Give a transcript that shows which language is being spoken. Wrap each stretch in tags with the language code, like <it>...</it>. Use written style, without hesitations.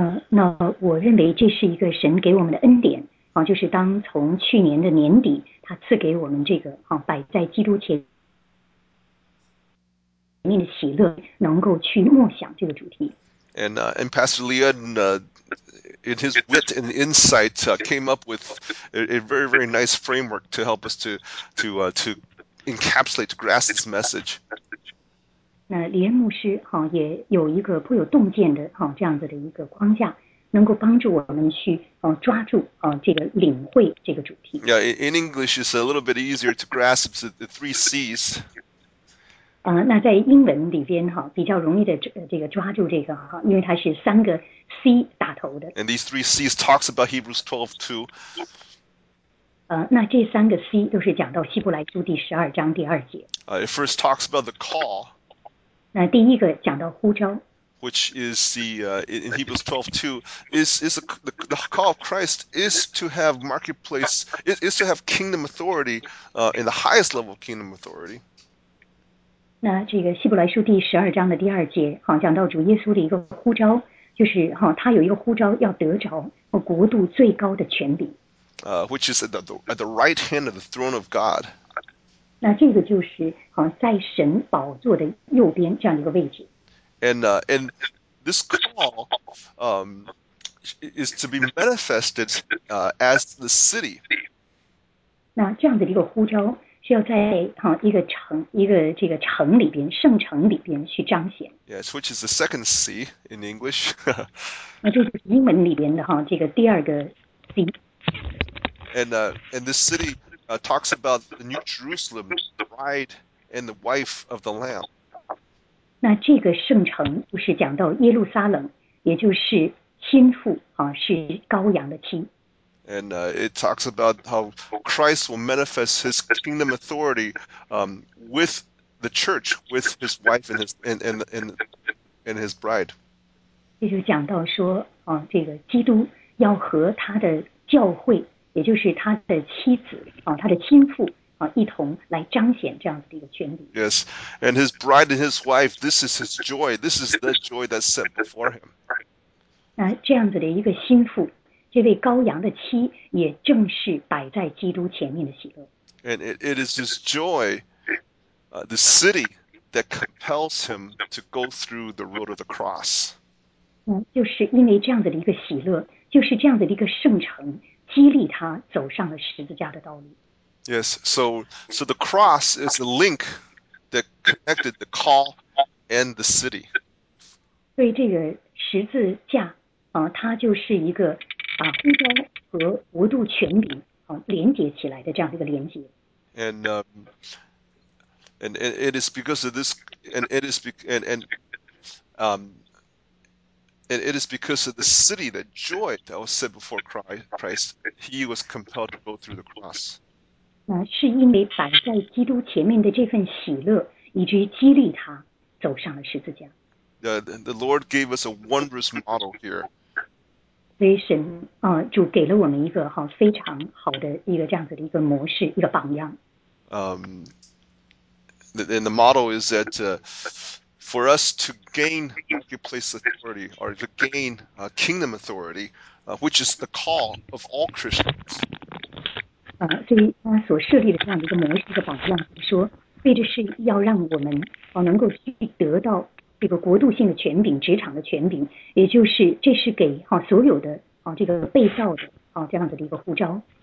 <zh>那我认为这是一个神给我们的恩典啊，就是当从去年的年底，他赐给我们这个啊，摆在基督前。</zh> <en>And Pastor Leon, in his wit and insight, came up with a very, very nice framework to help us to encapsulate, to grasp this message.</en> <zh>那李恩牧师哈也有一个颇有洞见的哈这样子的一个框架，能够帮助我们去抓住这个领会这个主题。</zh> <en>Yeah, in English, it's a little bit easier to grasp the three C's.</en> <zh>那在英文里边比较容易的这个抓住这个因为它是三个 C 打头的。</zh> <en>And these three C's talks about Hebrews 12:2.</en> <zh>那这三个 C 都是讲到希伯来书第十二章第二节。</zh> <en>It first talks about the call.</en> <zh>那第一个讲到呼召。</zh> <en>Which is the in Hebrews 12:2 is the call of Christ is to have marketplace is to have kingdom authority in the highest level of kingdom authority.</en> <zh>那这个希伯来书第十二章的第二节，讲到主耶稣的一个呼召，就是他有一个呼召要得着国度最高的权柄。</zh> <en>Which is at the right hand of the throne of God.</en> <zh>那这个就是在神宝座的右边这样一个位置。</zh> <en>And this call, is to be manifested, as the city.</en> <zh>那这样的一个呼召。是要在一个城一个这个城里边圣城里边去彰显。</zh> <en>Yes, which is the second C in English.</en> <zh>那就是英文里边的这个第二个 C.</zh> <en>And this city talks about the New Jerusalem, the bride and the wife of the Lamb.</en> <zh>那这个圣城就是讲到耶路撒冷，也就是心腹是羔羊的妻。</zh> <en>And it talks about how Christ will manifest His kingdom authority with the church, with His wife and His bride.</en> <zh>这就讲到说，这个基督要和他的教会，也就是他的妻子，他的亲妇，一同来彰显这样子的一个权柄。</zh> <en>Yes, and His bride and His wife, this is His joy. This is the joy that's set before Him.</en> <zh>那这样子的一个心腹。这位羔羊的妻也正是摆在基督前面的喜乐。</zh> <en>And it is this joy, the city that compels him to go through the road of the cross.</en> <zh>就是因为这样的一个喜乐，就是这样的一个圣城，激励他走上了十字架的道路。</zh> <en>Yes, so the cross is the link that connected the call and the city.</en> <zh>对这个十字架。它就是一个把呼召和国度权柄连接起来的这样的一个连接。</zh> <en>And it is because of the city, the joy that was set before Christ, he was compelled to go through the cross.</en> <zh>那是因为摆在基督前面的这份喜乐，以至于激励他走上了十字架。</zh> <en>The Lord gave us a wondrous model here.</en> <zh>所以神啊，主给了我们一个哈非常好的一个这样子的一个模式，一个榜样。</zh> <en>And the model is that. For us to gain marketplace authority, or to gain kingdom authority, which is the call of all Christians.</en> <zh>所以他所设立的这样的一个模式的榜样，说为的是要让我们能够去得到这个国度性的权柄、职场的权柄，也就是这是给所有的这个被造的这样子的一个呼召。</zh>